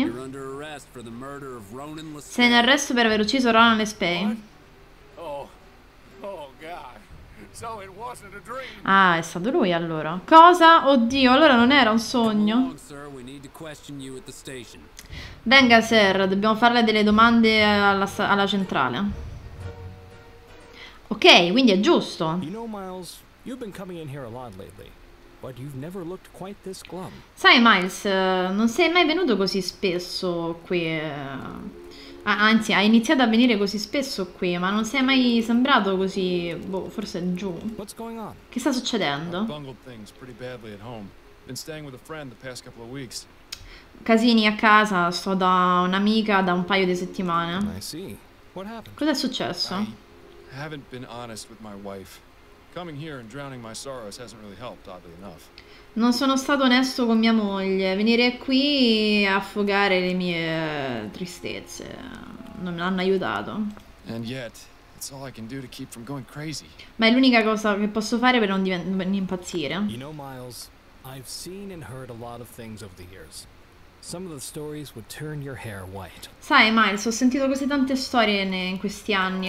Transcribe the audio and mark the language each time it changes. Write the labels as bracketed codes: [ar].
[en] You're under arrest for the murder of Ronan Lespay. [it] Sei in arresto per aver ucciso Ronan Lespay. [en] Oh, God. So it wasn't a dream. [it] Ah, è stato lui allora. Cosa? Oddio, allora non era un sogno. [en] Come along, sir. We need to question you at the station. [it] Venga, sir, dobbiamo farle delle domande alla centrale. Ok, quindi è giusto. [en] You know, Miles, you've been coming in here a lot lately. But you've never looked quite this glum. [it] Sai, Miles, non sei mai venuto così spesso qui. Anzi, hai iniziato a venire così spesso qui, ma non sei mai sembrato così. Boh, forse giù. [en] What's going on? [it] Che sta succedendo? [en] I've bungled things pretty badly at home. Been staying with a friend the past couple of weeks. [it] Casini a casa, sto da un'amica da un paio di settimane. [en] I see. What happened? [it] Cos'è successo? [en] I haven't been honest with my wife. Coming here and drowning my sorrows hasn't really helped, oddly enough. [it] Non sono stato onesto con mia moglie. Venire qui a affogare le mie tristezze non mi hanno aiutato. [en] And yet, it's all I can do to keep from going crazy. [it] Ma è l'unica cosa che posso fare per non impazzire. [en] You know, Miles, I've seen and heard a lot of things over the years. Some of the stories would turn your hair white. [it] Sai, Miles, ho sentito così tante storie in questi anni.